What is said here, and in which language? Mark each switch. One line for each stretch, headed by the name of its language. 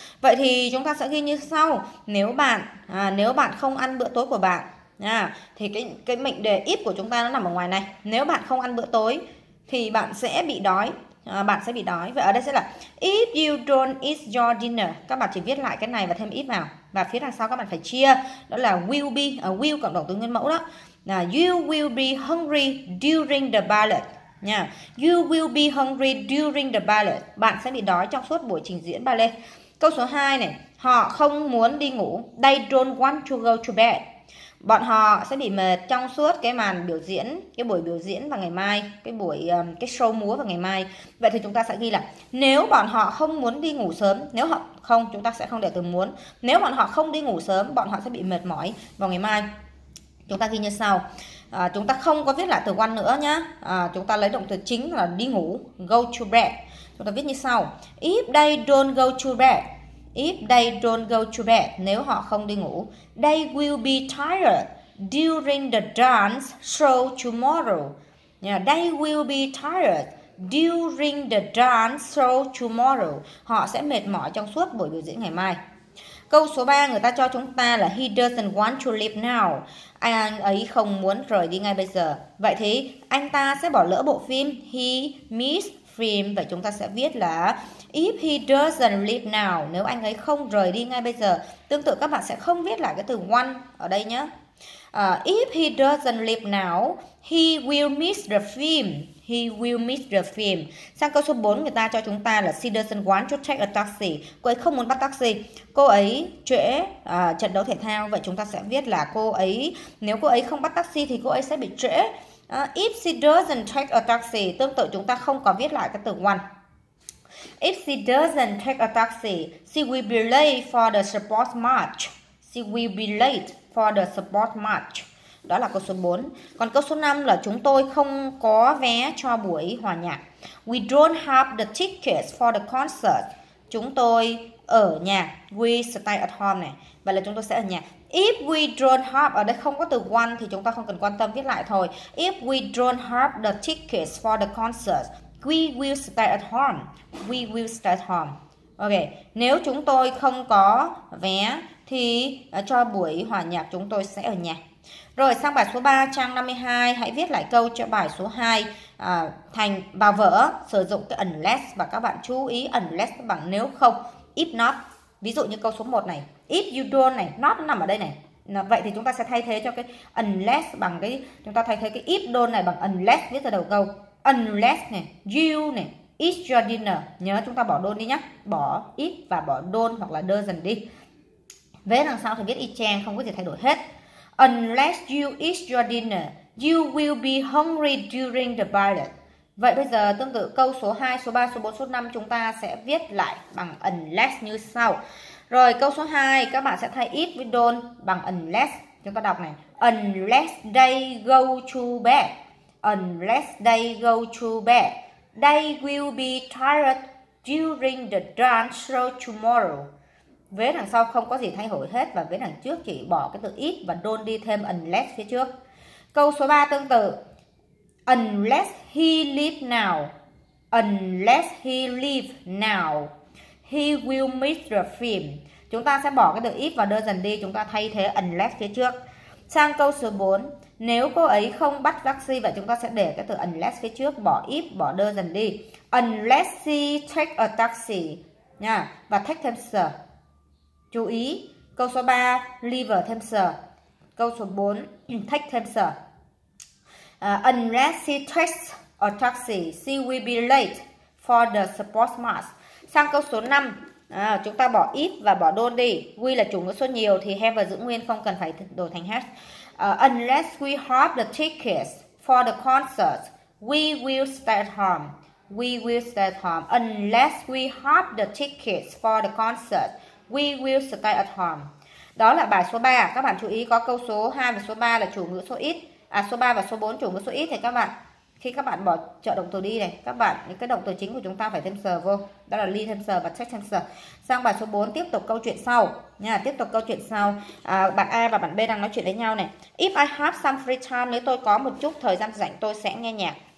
Vietnamese: Vậy thì chúng ta sẽ ghi như sau: nếu bạn không ăn bữa tối của bạn thì cái mệnh đề if của chúng ta nó nằm ở ngoài này. Nếu bạn không ăn bữa tối thì bạn sẽ bị đói. Bạn sẽ bị đói. Vậy ở đây sẽ là
English: if you don't eat your dinner,
Vietnamese: các bạn chỉ viết lại cái này và thêm if vào, và phía đằng sau các bạn phải chia, đó là
English: will be,
Vietnamese: will cộng động từ nguyên mẫu đó.
English: Now, you will be hungry during the ballet. Yeah. You will be hungry during the ballet.
Vietnamese: Bạn sẽ bị đói trong suốt buổi trình diễn ballet. Câu số 2 này, họ không muốn đi ngủ.
English: They don't want to go to bed.
Vietnamese: Bọn họ sẽ bị mệt trong suốt cái màn biểu diễn, cái buổi biểu diễn vào ngày mai, cái buổi cái show múa vào ngày mai. Vậy thì chúng ta sẽ ghi là nếu bọn họ không muốn đi ngủ sớm, nếu họ không, chúng ta sẽ không để từ muốn. Nếu bọn họ không đi ngủ sớm, bọn họ sẽ bị mệt mỏi vào ngày mai. Chúng ta ghi như sau. Chúng ta không có viết lại từ one nữa nhá. Chúng ta lấy động từ chính là đi ngủ,
English: go to bed.
Vietnamese: Chúng ta viết như sau:
English: if they don't go to bed, if they don't go to bed,
Vietnamese: nếu họ không đi ngủ,
English: they will be tired during the dance show tomorrow. They will be tired during the dance show tomorrow.
Vietnamese: Họ sẽ mệt mỏi trong suốt buổi biểu diễn ngày mai. Câu số 3 người ta cho chúng ta là
English: he doesn't want to leave now.
Vietnamese: Anh ấy không muốn rời đi ngay bây giờ. Vậy thì anh ta sẽ bỏ lỡ bộ phim.
English: He miss film.
Vietnamese: Vậy chúng ta sẽ viết là
English: if he doesn't leave now,
Vietnamese: nếu anh ấy không rời đi ngay bây giờ. Tương tự các bạn sẽ không viết lại cái từ want ở đây nhé.
English: If he doesn't leave now, he will miss the film. He will miss the film.
Vietnamese: Sang câu số 4 người ta cho chúng ta là
English: she doesn't want to take a taxi.
Vietnamese: Cô ấy không muốn bắt taxi. Cô ấy trễ trận đấu thể thao. Vậy chúng ta sẽ viết là cô ấy, nếu cô ấy không bắt taxi thì cô ấy sẽ bị trễ.
English: If she doesn't take a taxi,
Vietnamese: tương tự chúng ta không có viết lại cái từ want.
English: If she doesn't take a taxi, she will be late for the sports match. She will be late for the sports match.
Vietnamese: Đó là câu số 4. Còn câu số 5 là chúng tôi không có vé cho buổi hòa nhạc.
English: We don't have the tickets for the concert.
Vietnamese: Chúng tôi ở nhà.
English: We stay at home
Vietnamese: này. Vậy là chúng tôi sẽ ở nhà.
English: If we don't have,
Vietnamese: ở đây không có từ one thì chúng ta không cần quan tâm, viết lại thôi.
English: If we don't have the tickets for the concert, we will stay at home. We will stay at home.
Vietnamese: Ok, nếu chúng tôi không có vé thì cho buổi hòa nhạc chúng tôi sẽ ở nhà. Rồi sang bài số 3 trang 52, hãy viết lại câu cho bài số 2 thành vào vở, sử dụng cái unless, và các bạn chú ý unless bằng nếu không, if not. Ví dụ như câu số 1 này, if you don't này, not nằm ở đây này. Vậy thì chúng ta sẽ thay thế cho cái unless bằng cái, chúng ta thay thế cái if don't này bằng unless viết ra đầu câu. Unless này, you này,
English: eat your dinner.
Vietnamese: Nhớ chúng ta bỏ don't đi nhá, bỏ if và bỏ don't hoặc là doesn't đi. Vế đằng sau thì viết y chang, không có gì thay đổi hết.
English: Unless you eat your dinner, you will be hungry during the ballet.
Vietnamese: Vậy bây giờ tương tự câu số 2, số 3, số 4, số 5 chúng ta sẽ viết lại bằng unless như sau. Rồi câu số 2 các bạn sẽ thay if với don't bằng unless. Chúng ta đọc này.
English: Unless they go to bed. Unless they go to bed, they will be tired during the dance show tomorrow.
Vietnamese: Vế đằng sau không có gì thay đổi hết, và vế đằng trước chỉ bỏ cái từ if và don't đi, thêm unless phía trước. Câu số 3 tương tự.
English: Unless he leave now, unless he leave now, he will miss the film.
Vietnamese: Chúng ta sẽ bỏ cái từ if và doesn't đi, chúng ta thay thế unless phía trước. Sang câu số 4, nếu cô ấy không bắt taxi, và chúng ta sẽ để cái từ unless phía trước, bỏ if, bỏ doesn't đi.
English: Unless she take a taxi
Vietnamese: nha, và
English: take
Vietnamese: thêm
English: sir.
Vietnamese: Chú ý, câu số 3, leave thêm sờ. Câu số 4, take thêm sờ.
English: Unless she takes a taxi, she will be late for the sports match.
Vietnamese: Sang câu số 5, chúng ta bỏ if và bỏ don't đi. We là chủ ngữ số nhiều thì have giữ nguyên, không cần phải đổi thành has.
English: Unless we have the tickets for the concert, we will stay at home. We will stay at home. Unless we have the tickets for the concert, we will stay at home.
Vietnamese: Đó là bài số 3. Các bạn chú ý có câu số 2 và số 3 là chủ ngữ số ít. À, số 3 và số 4 chủ ngữ số ít thì các bạn, khi các bạn bỏ trợ động từ đi này, các bạn những cái động từ chính của chúng ta phải thêm sờ vô. Đó là ly thêm sờ và check thêm sờ. Sang bài số 4 tiếp tục câu chuyện sau nha, tiếp tục câu chuyện sau. À, bạn A và bạn B đang nói chuyện với nhau này.
English: If I have some free time,
Vietnamese: nếu tôi có một chút thời gian rảnh tôi sẽ nghe nhạc.